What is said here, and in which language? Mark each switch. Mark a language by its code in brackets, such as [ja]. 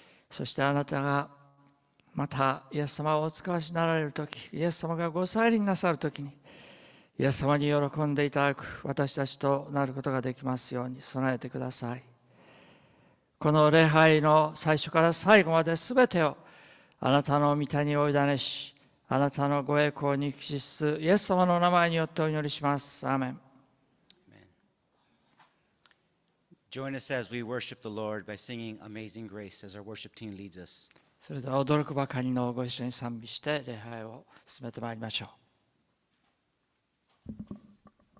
[ja] そしてあなたがまたイエス様をお使わしになられる時、イエス様がご再臨なさる時に、イエス様に喜んでいただく私たちとなることができますように備えてください。この礼拝の最初から最後まで全てをあなたの御手にお委ねし、あなたのご栄光に期しつつ、イエス様の名前によってお祈りします。アーメン。 [en] Join us as we worship the Lord by singing Amazing Grace as our worship team leads us. [ja] それでは驚くばかりのご一緒に賛美して礼拝を進めてまいりましょう。